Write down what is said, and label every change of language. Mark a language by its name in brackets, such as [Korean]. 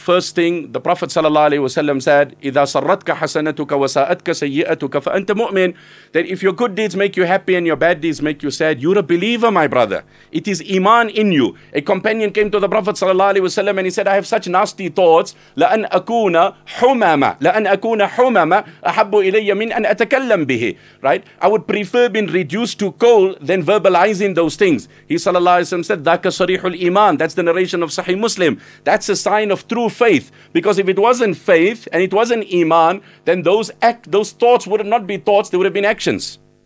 [English] First thing, the Prophet sallallahu alaihi wasallam said, [Arabic] إِذَا سَرَّتْكَ حَسَنَتُكَ وَسَاءَتْكَ سَيِّئَتُكَ فَأَنْتَ مُؤْمِنَ [English] That if your good deeds make you happy and your bad deeds make you sad, you're a believer, my brother. It is iman in you. A companion came to the Prophet sallallahu alaihi wasallam and he said, I have such nasty thoughts. [Arabic] لَأَنْ أَكُونَ حُمَامَ أَحَبُّ إِلَيَّ مِنْ أَنْ أَتَكَلَّمْ بِهِ [English] Right? I would prefer being reduced to coal than verbalizing those things. He sallallahu alaihi wasallam said, [Arabic] ذَاكَ صَرِيحُ الْإِيمَانِ [English] That's the narration of Sahih Muslim. That's a sign of true faith. Because if it wasn't faith and it wasn't iman, then those thoughts would not be thoughts, they would have been actions.